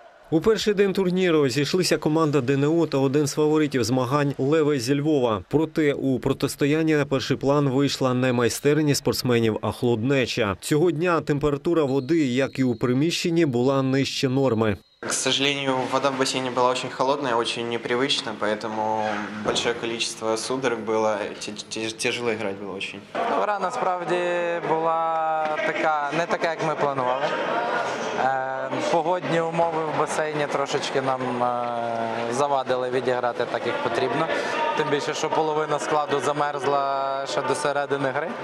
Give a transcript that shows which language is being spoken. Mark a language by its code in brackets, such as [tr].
[uk] У перший день турніру зійшлися команда ДНУ та один з фаворитів змагань «Леве» зі Львова. Проте у протистоянні на перший план вийшла не майстерність спортсменів, а холоднеча. Цього дня температура води, як і у приміщенні, була нижче норми. [ru] К сожалению, вода в бассейне была очень холодная, очень непривычно, поэтому большое количество судорог было, тяжело играть было очень. [uk] Ну, гра насправді була така, не така, як ми планували. Погодні умови в басейні трошечки нам завадили відіграти так, як потрібно. Тим більше, що половина складу замерзла ще до середини гри.